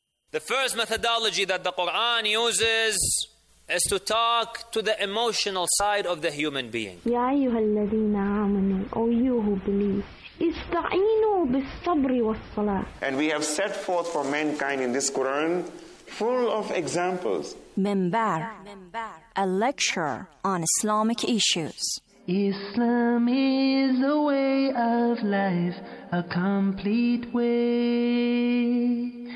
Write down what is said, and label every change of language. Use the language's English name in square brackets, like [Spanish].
[English] The first methodology that the Quran uses is to talk to the emotional side of the human being. [Arabic] يا أيها الذين آمنوا أو [English] you who believe [Arabic] استعينوا بالصبر والصلاة. [English] And we have set forth for mankind in this Quran full of examples. Minbar, a lecture on Islamic issues. Islam is a way of life, a complete way.